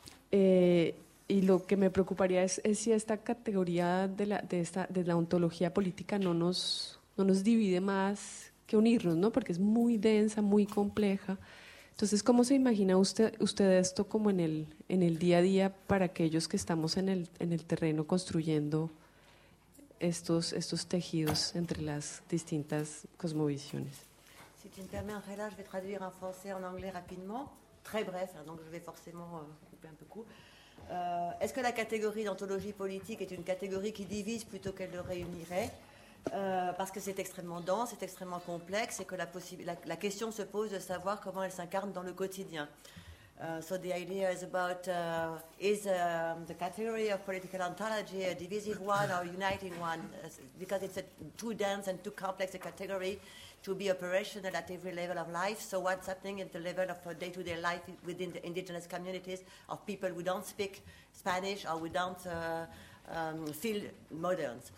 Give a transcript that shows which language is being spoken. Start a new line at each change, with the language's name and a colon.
Spanish: Y lo que me preocuparía es si esta categoría de la ontología política no nos divide más que unirnos, ¿no? Porque es muy densa, muy compleja. Entonces, ¿cómo se imagina usted esto como en el día a día para aquellos que estamos en el terreno construyendo estos tejidos entre las distintas cosmovisiones?
French: Si tu me permets, Angela, je vais traduire en français en anglais rapidement, très bref, donc je vais forcément couper un peu court. Est-ce que la catégorie d'ontologie politique est une catégorie qui divise plutôt qu'elle le réunirait? Parce que c'est extrêmement dense, c'est extrêmement complexe, et que la question se pose de savoir comment elle s'incarne dans le quotidien.
English: So the idea is about, is the category of political ontology a divisive one or uniting one? Because it's a too dense and too complex a category to be operational at every level of life. So what's happening at the level of day-to-day life within the indigenous communities of people who don't speak Spanish or who don't feel modern?